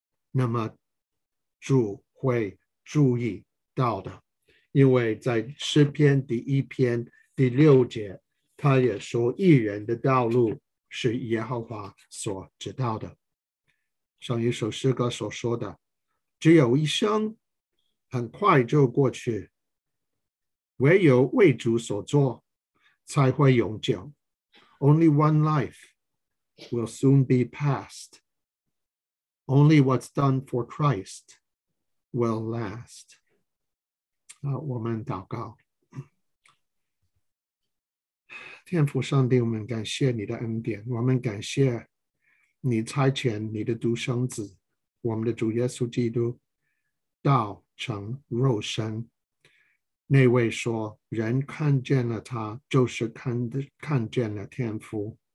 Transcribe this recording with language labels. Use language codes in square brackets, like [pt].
[zh] 那么主会注意到的，因为在诗篇第一篇第六节，他也说义人的道路是耶和华所知道的。像一首诗歌所说的，只有一生，很快就过去。唯有为主所做，才会永久。 [en] Only one life will soon be passed. Only what's done for Christ will last. [zh] 我们祷告。天父上帝，我们感谢你的恩典，我们感谢你差遣你的独生子，我们的主耶稣基督，道成肉身。那位说：“人看见了他，就是看见了天父。